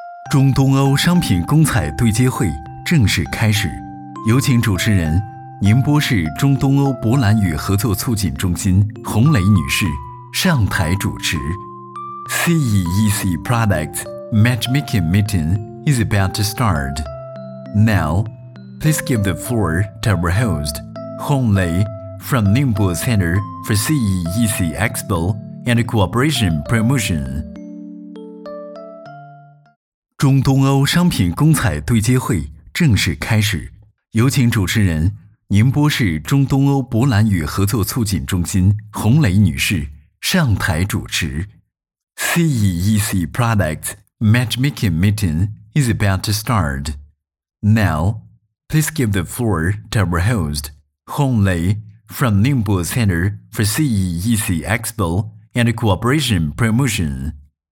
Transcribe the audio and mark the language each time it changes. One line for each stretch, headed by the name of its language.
Chinese: 中东欧商品公采对接会正式开始，有请主持人宁波市中东欧博览与合作促进中心洪磊女士上台主持。
English: CEEC Product Matchmaking Meeting is about to start. Now, please give the floor to our host, Hong Lei from Ningbo Center for CEEC Expo and Cooperation Promotion.
Chinese: 中东欧商品公采对接会正式开始，有请主持人宁波市中东欧博览与合作促进中心洪磊女士上台主持。
English: CEEC Product Matchmaking Meeting is about to start. Now, please give the floor to our host, Hong Lei from Ningbo Center for CEEC Expo and Cooperation Promotion.